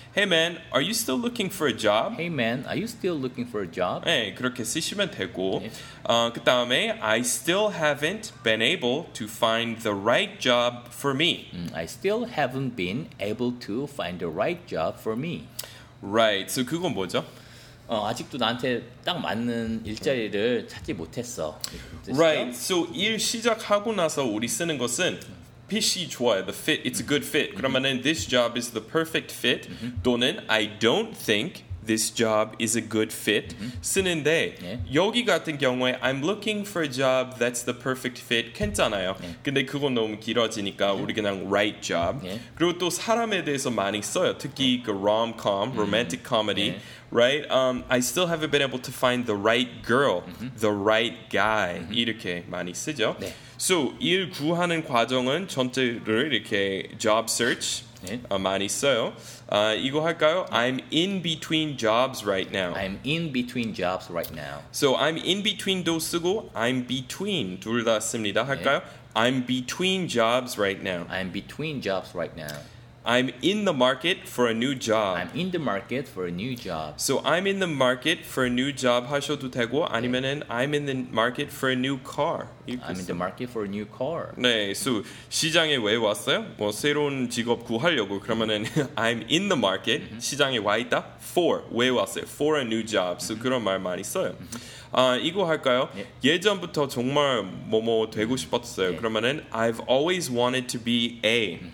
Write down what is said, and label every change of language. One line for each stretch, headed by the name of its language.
English: Hey man, are you still looking for a job? Hey man, are you still looking for a job?
Korean: 네, 그렇게 쓰시면 되고. Yeah. 그 다음에,
English: I still haven't been able to find the right job for me. I still haven't been able to find the right job for me. Right, so
Korean: 그건 뭐죠? 아직도 나한테 딱 맞는 일자리를 찾지 못했어.
English: Right.
Korean: So 일 시작하고 나서 우리 쓰는 것은 핏이 좋아요.
English: The fit. It's a good fit.
Korean: 그러면은
English: this job is the perfect fit.
Korean: 또는
English: I don't think this job is a good fit.
Korean: 쓰는데 여기 같은 경우에
English: I'm looking for a job that's the perfect fit.
Korean: 괜찮아요. 근데 그건 너무 길어지니까 우리 그냥 right job. 그리고 또 사람에 대해서 많이 써요. 특히 그
English: rom-com, romantic comedy. Right? I still haven't been able to find the right girl, the right guy.
Korean: 이렇게 많이 쓰죠. 네. So, 일 구하는 과정은 전체를 이렇게 job search 많이 써요. 이거 할까요?
English: I'm in between jobs right now. I'm in between jobs right now.
Korean: So, I'm in between도 쓰고, I'm between 둘 다 씁니다. 할까요? 네.
English: I'm between jobs right now. I'm between jobs right now. I'm in the market for a new job. I'm in the market for a new job. So I'm in the market for a new job
Korean: 하셔도 되고 아니면은 네.
English: I'm in the market for a new car. I'm in the market for a new car.
Korean: 네, so 시장에 왜 왔어요? 뭐 새로운 직업 구하려고 그러면은
English: I'm in the market
Korean: 시장에 와 있다 for 왜 왔어요?
English: For a new job.
Korean: So 그런 말 많이 써요. 이거 할까요? 예. 예전부터 정말 뭐뭐 되고 싶었어요. 예. 그러면은
English: I've always wanted to be A.